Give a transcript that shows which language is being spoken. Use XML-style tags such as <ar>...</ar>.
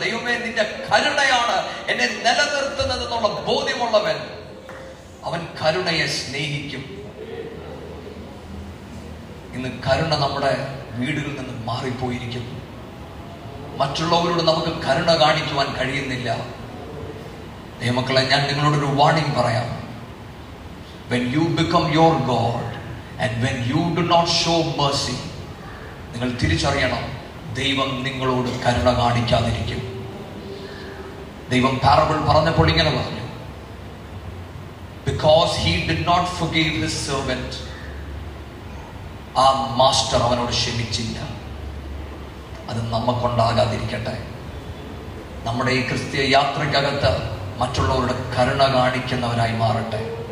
<ml>ദൈവമേ, നിന്റെ കരുണയാണ് എന്നെ നിലനിർത്തുന്നത് എന്നുള്ള ബോധ്യമുള്ളവൻ അവൻ കരുണയെ സ്നേഹിക്കും. ഇന്ന് കരുണ നമ്മുടെ വീടുകളിൽ നിന്ന് മാറിപ്പോയിരിക്കുന്നു. മറ്റുള്ളവരോട് നമുക്ക് കരുണ കാണിക്കുവാൻ കഴിയുന്നില്ല. ദൈവമക്കളെ, ഞാൻ നിങ്ങളോടൊരു വാർണിംഗ് പറയാം.</ml> <en>When you become your God and when you do not show mercy,</en> <ml>നിങ്ങൾ തിരിച്ചറിയണം, ദൈവം നിങ്ങളോട് കരുണ കാണിക്കാതിരിക്കും. ദൈവം പാരബിൾ പറഞ്ഞപ്പോൾ ഇങ്ങനെ പറഞ്ഞു,</ml> <en>Because he did not forgive his servant,</en> <ml>ആ മാസ്റ്റർ അവനോട് ക്ഷമിച്ചില്ല. അത് നമുക്കുണ്ടാകാതിരിക്കട്ടെ. നമ്മുടെ ഈ ക്രിസ്തീയ യാത്രയ്ക്കകത്ത് മറ്റുള്ളവരുടെ കരുണ കാണിക്കുന്നവരായി മാറട്ടെ.</ml>